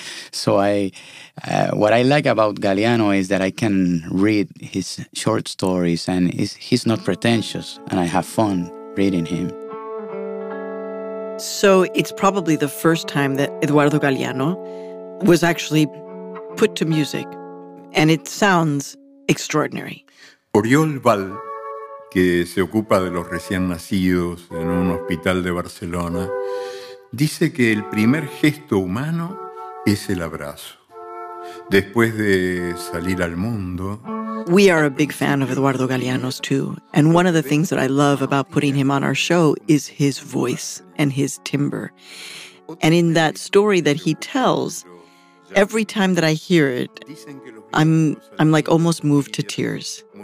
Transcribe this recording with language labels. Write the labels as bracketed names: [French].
[English] So what I like about Galeano is that I can read his short stories, and he's not pretentious, and I have fun reading him. So it's probably the first time that Eduardo Galeano was actually put to music, and it sounds extraordinary. [Spanish] Oriol Val, que se ocupa de los recién nacidos en un hospital de Barcelona, dice que el primer gesto humano es el abrazo. Después de salir al mundo. [English] We are a big fan of Eduardo Galeano's too. And one of the things that I love about putting him on our show is his voice and his timbre. And in that story that he tells, every time that I hear it, I'm like almost moved to tears.